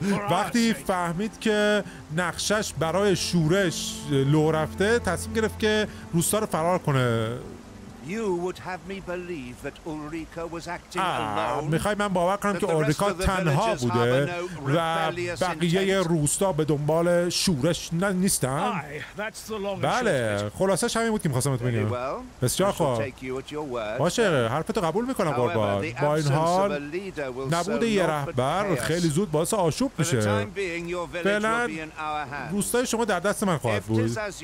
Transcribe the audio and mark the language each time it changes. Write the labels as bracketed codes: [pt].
[fa] وقتی فهمید که نقشش برای شورش لو رفته، تصمیم گرفت که روستا رو فرار کنه. [en] You would have me believe that Ulrika was acting alone. [fa] میخوای من باور کنم که اولریکا تنها بوده و بقیه روستا به دنبال شورش نیستن؟ بله، خلاصش همین بود که می‌خواستم بهتون بگم. بسیار خوب. باشه، حرفتو قبول می‌کنم قربان. با این حال نبود یه رهبر خیلی زود باعث آشوب میشه. فعلا روستای شما در دست من خواهد بود.